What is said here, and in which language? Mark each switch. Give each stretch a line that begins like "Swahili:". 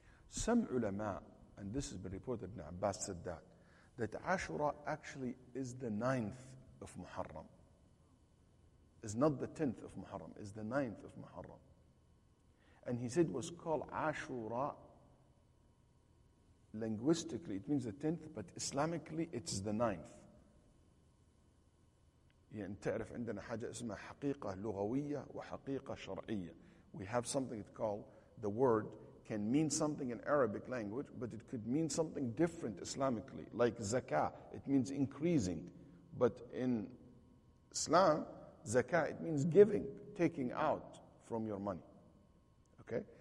English: Some ulama, and this has been reported, Ibn Abbas said that Ashura actually is the 9th of Muharram. It's not the 10th of Muharram, it's the 9th of Muharram. And he said it was called Ashura. Linguistically, it means the 10th, but Islamically, it's the 9th.
Arabic: يعني تعرف عندنا حاجة اسمها حقيقة لغوية وحقيقة شرعية.
English: We have something it's called the word can mean something in Arabic language, but it could mean something different Islamically, like zakah, it means increasing. But in Islam, zakah, it means giving, taking out from your money. Okay?